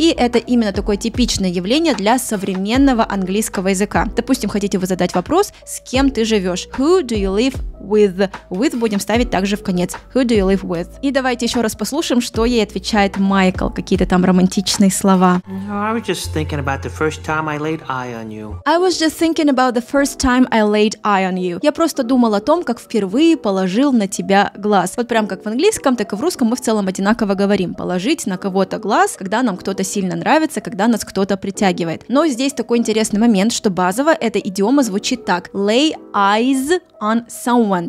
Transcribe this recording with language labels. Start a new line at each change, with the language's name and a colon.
Russian: И это именно такое типичное явление для современного английского языка. Допустим, хотите вы задать вопрос, с кем ты живешь?
English: Who do you live with?
Russian: With будем ставить также в конец.
English: Who do you live with?
Russian: И давайте еще раз послушаем, что ей отвечает Майкл. Какие-то там романтичные слова.
English: I was just thinking about the first time I laid eye on you. I was just thinking about the first time I laid eye on you.
Russian: Я просто думала о том, как впервые положил на тебя глаз. Вот прям как в английском, так и в русском мы в целом одинаково говорим. Положить на кого-то глаз, когда нам кто-то сильно нравится, когда нас кто-то притягивает. Но здесь такой интересный момент, что базово эта идиома звучит так.
English: Lay eyes on someone.